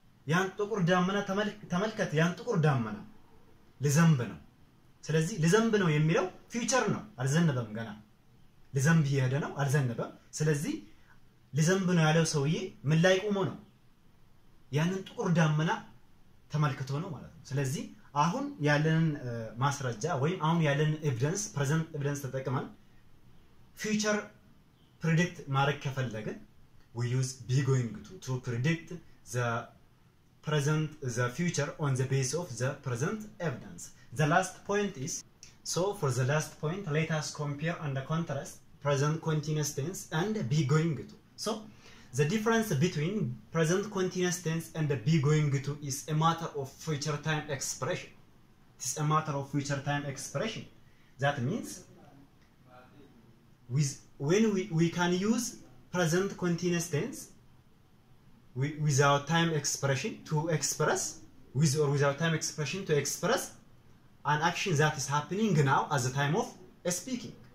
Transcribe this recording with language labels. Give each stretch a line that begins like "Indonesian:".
Amharic: ያን ጥቁር ዳመና ተመልከት ያን ጥቁር ዳመና ለዘንብ ነው ስለዚህ ለዘንብ ነው የሚለው ፊቸር ነው አልዘነበም ገና ለዘንብ ይሄደ ነው አልዘነበም ስለዚህ ለዘንብ ነው ያለው ሰውዬ ምን ላይ ቆሞ ነው ያንን ጥቁር ዳመና ተመልክቶ ነው ማለት ነው። ስለዚህ አሁን ያለንን ማስረጃ ወይም አሁን ያለንን ኤቪደንስ ፕሬዘንት ኤቪደንስ ተጠቅመን ፊውቸር ፕሪዲክት ማድረግ ከፈለግን
English: we use be going to predict the present the future on the basis of the present evidence. The last point is, so for the last point, let us compare and contrast present continuous tense and be going to. So the difference between present continuous tense and be going to is a matter of future time expression. It is a matter of future time expression. That means when we can use present continuous tense without time expression to express, with or without time expression to express an action that is happening now as a time of speaking.